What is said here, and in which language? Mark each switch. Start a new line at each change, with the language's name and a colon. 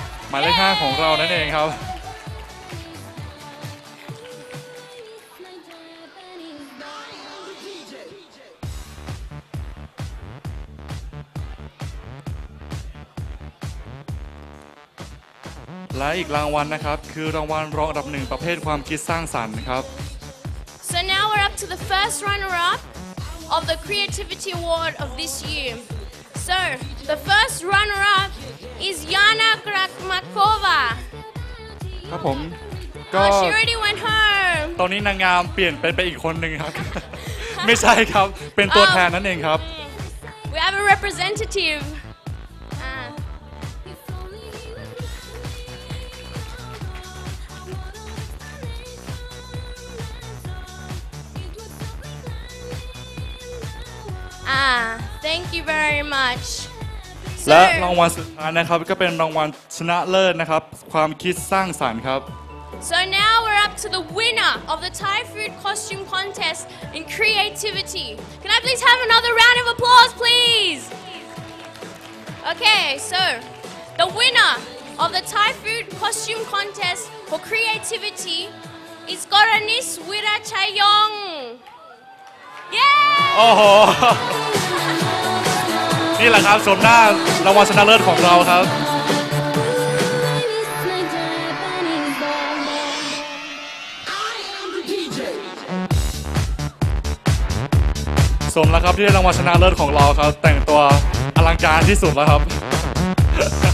Thai: หมายเลข5ของเรานั่นเองครับและอีกรางวัลนะครับคือรางวัลรองอันดับ1ประเภทความคิดสร้างสรรค์ครับ
English: So now we're up to the first runner up of the creativity award of this year. So the first runner up is Yana Krakmakova.
Thai: ครับผม
English: ก็ She already went home.
Thai: ตอนนี้นางงามเปลี่ยนไปอีกคนนึงครับ ไม่ใช่ครับเป็นตัวแทนนั่นเองครับ
English: We have a representativeThank you very much.
Thai: และรางวัลสุดท้ายนะครับก็เป็นรางวัลชนะเลิศนะครับความคิดสร้างสรรค์ครับ
English: So now we're up to the winner of the Thai food costume contest in creativity. Can I please have another round of applause, please? Okay, so the winner of the Thai food costume contest for creativity is Goranis Wirachayong. Yeah!
Thai: โอ้โหนี่แหละครับชมหน้ารางวัลชนะเลิศของเราครับสมแล้วครับที่ได้รางวัลชนะเลิศของเราครับแต่งตัวอลังการที่สุดแล้วครับ